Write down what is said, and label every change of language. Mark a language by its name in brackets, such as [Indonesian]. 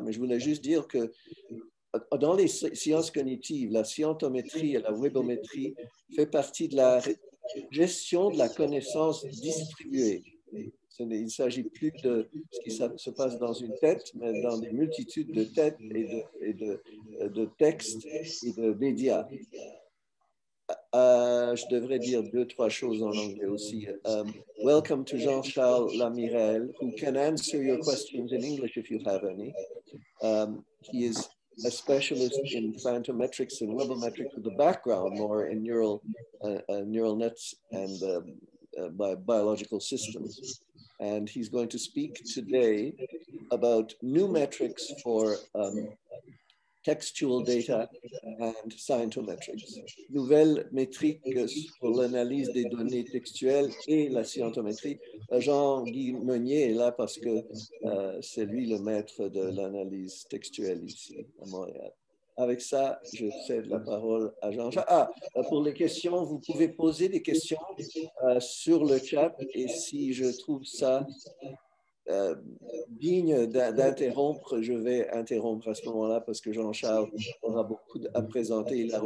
[French] Mais je voulais juste dire que dans les sciences cognitives, la scientométrie et la webométrie fait partie de la gestion de la connaissance distribuée. Il ne s'agit plus de ce qui se passe dans une tête, mais dans des multitudes de têtes et de textes et de médias. Je devrais dire deux, trois choses en anglais aussi. [English] Welcome to Jean-Charles Lamirel, who can answer your questions in English if you have any. He is a specialist in phantometrics and webometrics with a background more in neural nets and biological systems. And he's going to speak today about new metrics for textual data and scientometrics. [French] Nouvelles métriques pour l'analyse des données textuelles et la scientométrie. Jean-Guy Meunier est là parce que c'est lui le maître de l'analyse textuelle ici à Montréal. Avec ça, je cède la parole à Jean-Jacques. Ah, pour les questions, vous pouvez poser des questions sur le chat et si je trouve ça digne d'interrompre, je vais interrompre à ce moment-là parce que Jean-Charles aura beaucoup à présenter.